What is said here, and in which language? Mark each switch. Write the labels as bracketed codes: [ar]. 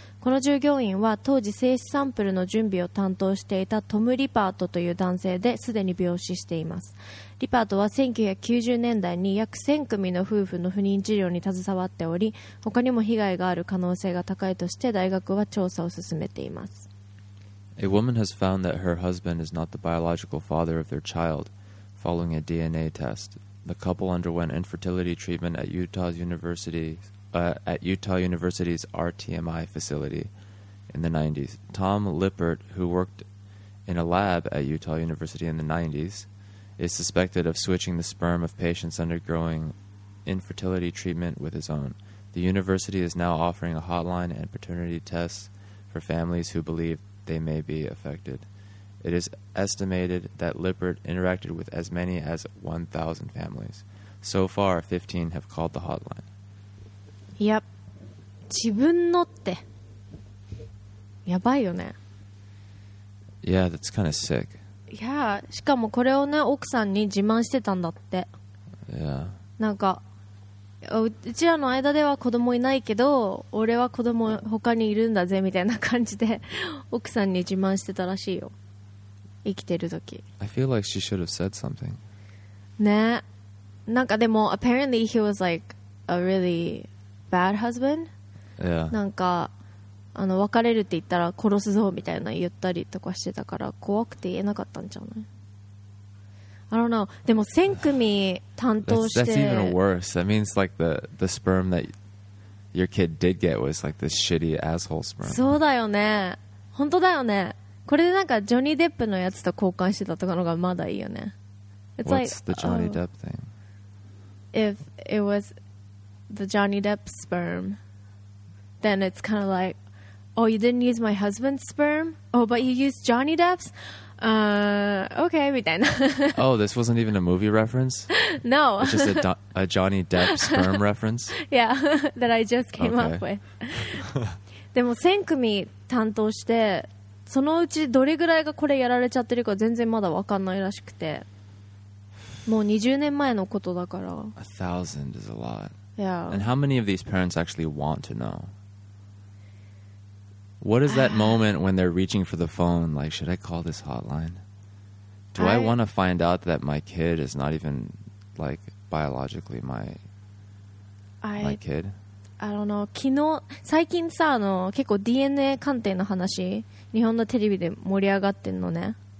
[ja] この従業員は当時精子サンプルの準備を担当していたトム・リパートという男性で、すでに病死しています。リパートは1990年代に約1000組の夫婦の不妊治療に携わっており、他にも被害がある可能性が高いとして大学は調査を進めています。 [en] A woman has found that her husband is not the biological father of their child following a DNA test. The couple underwent infertility treatment at Utah University's RTMI facility in the 90s. Tom Lippert, who worked in a lab at Utah University in the 90s, is suspected of switching the sperm of patients undergoing infertility treatment with his own. The university is now offering a hotline and paternity tests for families who believe they may be affected. It is estimated that Lippert interacted with as many as 1,000 families. So far, 15 have called the hotline. [ja] いや、自分のってやばいよね。 [en] Yeah, that's kind of sick. Yeah, [ja] しかもこれをね、奥さんに自慢してたんだって。 Yeah, なんかうちらの間では子供いないけど俺は子供他にいるんだぜみたいな感じで奥さんに自慢してたらしいよ、生きてる時。 [en] I feel like she should have said something. [ja] ね、なんかでも [en] apparently he was like a reallybad husband、 yeah. [ja] なんかあの別れるって言ったら殺すぞみたいな言ったりとかしてたから怖くて言えなかったんじゃない。 [en] I don't know. [ja] でも1000組担当して [en] that's even worse. That means like the sperm that your kid did get was like this shitty asshole sperm. [ja] そうだよね、本当だよね。これでなんかジョニー・デップのやつと交換してたとかのがまだいいよね。 [en] It's What's like, the Johnny、Depp thing? If it wasThe Johnny Depp sperm, then it's kind of like, oh, you didn't use my husband's sperm? Oh, but you used Johnny Depp's? Okay, [ja] みたいな。 [en] Oh, this wasn't even a movie reference? No. It's just a Johnny Depp sperm reference? Yeah, that I just came、okay. up with. [ja] でも1000組担当して、そのうちどれぐらいがこれやられちゃってるか全然まだわかんないらしくて。もう20年前のことだから。 [en] A thousand is a lot. Yeah. And how many of these parents actually want to know? What is that moment when they're reaching for the phone? Like, should I call this hotline? Do I want to find out that my kid is not even, like, biologically my kid? I don't know. [ja] 昨日、最近さ、あの、結構 DNA 鑑定の話、日本のテレビで盛り上がってんのね。